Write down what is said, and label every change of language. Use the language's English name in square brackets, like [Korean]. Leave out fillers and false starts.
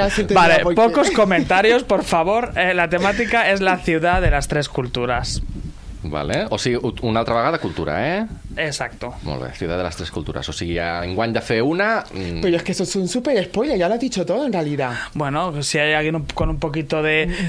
[Spanish] Vale, pocos comentarios, por favor. La temática es la ciudad de las tres culturas. [Catalan] Vale. O sigui, una altra vegada, cultura, eh? [Spanish] Exacto. [Catalan] Molt bé, ciutat de les tres cultures. O sigui, enguany de fer una... Però és que això és un super spoiler, ja l'has dit tot, en realitat. [Spanish] Bueno, si hay alguien con un poquito de...